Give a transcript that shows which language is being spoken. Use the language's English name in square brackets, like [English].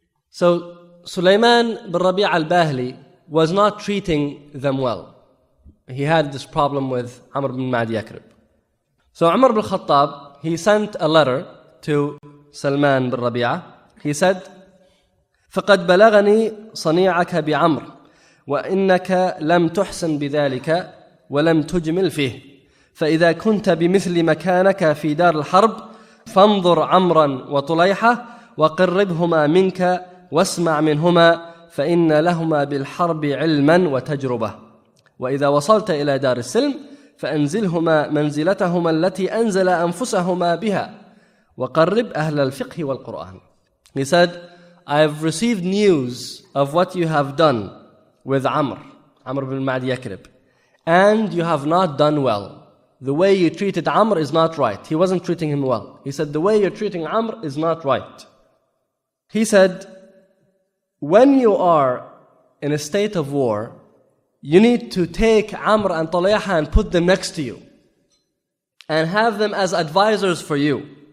[English] So Sulaiman bin Rabi' al-Bahli was not treating them well. He had this problem with Amr bin Ma'di Yakrib. So Umar bin Khattab, he sent a letter to Salman bin Rabi'ah. He said, [Arabic] فقد بلغني صنيعك بعمر وإنك لم تحسن بذلك ولم تجمل فيه، فإذا كنت بمثل مكانك في دار الحرب فانظر عمرا وطليحة وقربهما منك واسمع منهما، فإن لهما بالحرب علما وتجربة، وإذا وصلت إلى دار السلم فأنزلهما منزلتهما التي أنزل أنفسهما بها وقرب أهل الفقه والقرآن. [English] He said, I have received news of what you have done with Amr, Amr bin Ma'ad Yakrib, and you have not done well. The way you treated Amr is not right. He wasn't treating him well. He said, the way you're treating Amr is not right. He said, when you are in a state of war, you need to take Amr and Talayha and put them next to you and have them as advisors for you.